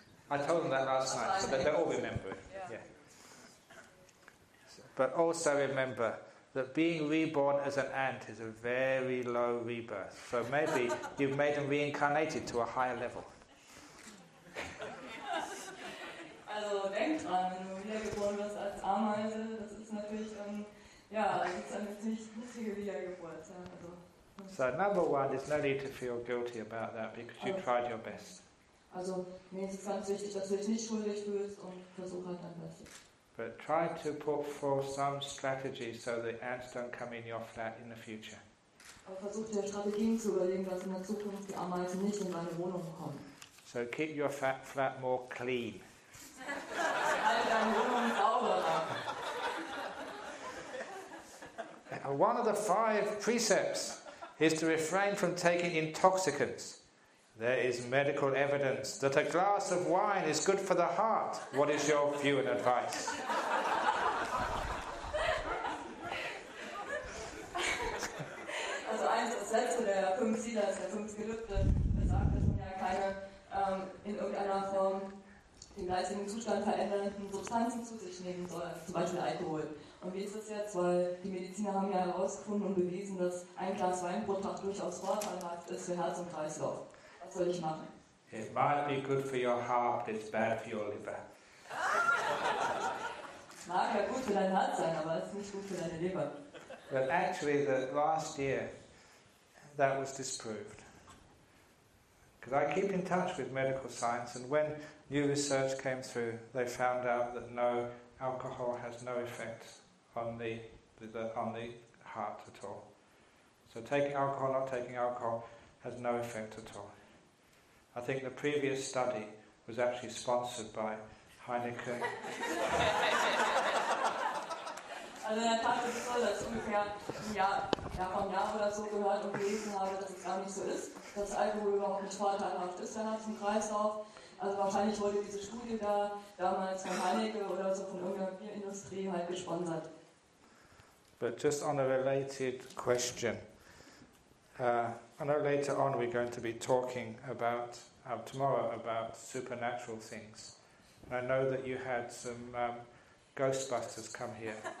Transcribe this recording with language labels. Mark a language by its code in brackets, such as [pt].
[en] I told them that last night, so they all remember it. Yeah. But also remember that being reborn as an ant is a very low rebirth. So maybe you've made them reincarnated to a higher level. [de] Also denk dran, wenn du wiedergeboren wirst als Ameise, das ist natürlich eine ziemlich niedrige Wiedergeburt. [en] So number one, there's no need to feel guilty about that because you tried your best. [de] Also, mir ist es ganz wichtig, dass du dich nicht schuldig fühlst und versuch halt dein Bestes. [en] But try to put forth some strategies so the ants don't come in your flat in the future. [de] Aber versuch dir Strategien zu überlegen, dass in der Zukunft die Ameisen nicht in deine Wohnung kommen. [en] So keep your flat more clean. [de] Halt deine Wohnung sauberer. [en] One of the five precepts is to refrain from taking intoxicants. There is medical evidence that a glass of wine is good for the heart. What is your view and advice? [de] Also eins ist selbst der fünf Ziele, das der fünf Gelübde, das sagt, dass man ja keine in irgendeiner Form den geistigen Zustand verändernden Substanzen zu sich nehmen soll, zum Beispiel Alkohol. Und wie ist das jetzt? Weil die Mediziner haben ja herausgefunden und bewiesen, dass ein Glas Wein pro Tag durchaus vorteilhaft ist für Herz und Kreislauf. [en] It might be good for your heart, but it's bad for your liver. [de] Mag ja gut für dein Herz sein, aber es ist nicht gut für deine Leber. [en] But actually, the last year, that was disproved. Because I keep in touch with medical science, and when new research came through, they found out that no alcohol has no effect on the heart at all. So taking alcohol, not taking alcohol, has no effect at all. I think the previous study was actually sponsored by Heineken. [de] Also in der Tat ist es so, dass ich ungefähr vor einem Jahr oder so gehört und gelesen habe, dass es gar nicht so ist, dass Alkohol überhaupt nicht vorteilhaft ist, dann hat es einen Kreislauf. Also wahrscheinlich wurde diese Studie da damals von Heineken oder so von irgendeiner Bierindustrie halt gesponsert. [en] But just on a related question. I know later on we're going to be talking about tomorrow about supernatural things. And I know that you had some Ghostbusters come here.